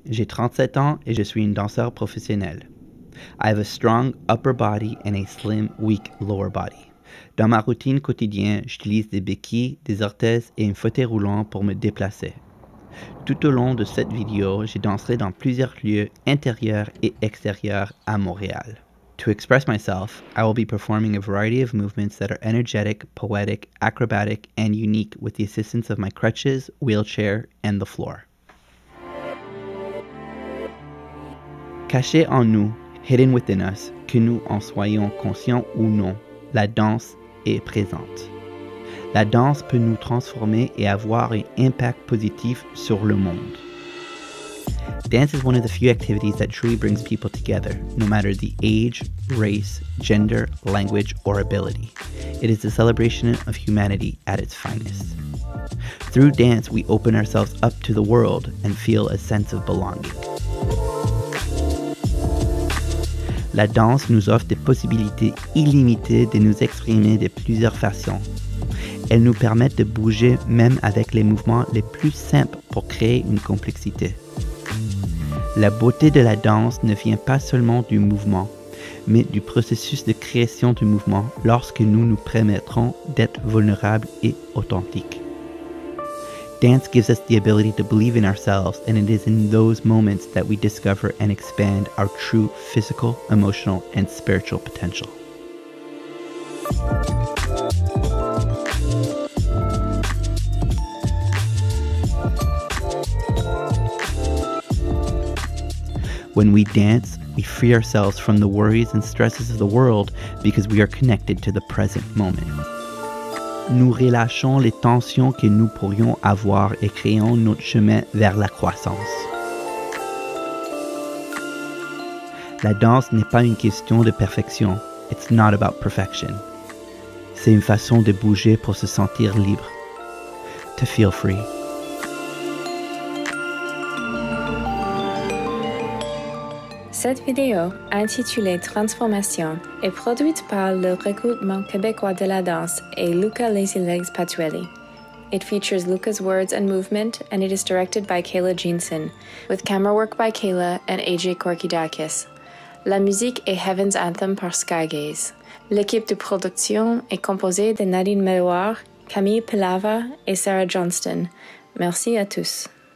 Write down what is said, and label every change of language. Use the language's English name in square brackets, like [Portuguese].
[French] J'ai 37 ans et je suis une danseur professionnelle. [English] I have a strong upper body and a slim, weak lower body. [French] Dans ma routine quotidienne, j'utilise des béquilles, des orthèses et un fauteuil roulant pour me déplacer. Tout au long de cette vidéo, je danserai dans plusieurs lieux intérieurs et extérieurs à Montréal. [English] To express myself, I will be performing a variety of movements that are energetic, poetic, acrobatic, and unique with the assistance of my crutches, wheelchair, and the floor. [French] Caché en nous, [English] hidden within us, [French] que nous en soyons conscients ou non, la danse est présente. La danse peut nous transformer et avoir un impact positif sur le monde. [English] Dance is one of the few activities that truly brings people together, no matter the age, race, gender, language, or ability. It is the celebration of humanity at its finest. Through dance, we open ourselves up to the world and feel a sense of belonging. [French] La danse nous offre des possibilités illimitées de nous exprimer de plusieurs façons. Elle nous permet de bouger même avec les mouvements les plus simples pour créer une complexité. La beauté de la danse ne vient pas seulement du mouvement, mais du processus de création du mouvement lorsque nous nous permettrons d'être vulnérables et authentiques. [English] Dance gives us the ability to believe in ourselves, and it is in those moments that we discover and expand our true physical, emotional, and spiritual potential. When we dance, we free ourselves from the worries and stresses of the world because we are connected to the present moment. [French] Nous relâchons les tensions que nous pourrions avoir et créons notre chemin vers la croissance. La danse n'est pas une question de perfection. [English] It's not about perfection. [French] C'est une façon de bouger pour se sentir libre. [English] To feel free. [French] Cette vidéo, intitulée « Transformation », est produite par le Regroupement québécois de la danse et Luca Lazy Legs Patuelli. [English] It features Luca's words and movement, and it is directed by Kayla Jensen, with camera work by Kayla and AJ Korkidakis. [French] La musique est « Heaven's Anthem » par Skygaze. L'équipe de production est composée de Nadine Meloir, Camille Pelava et Sarah Johnston. Merci à tous.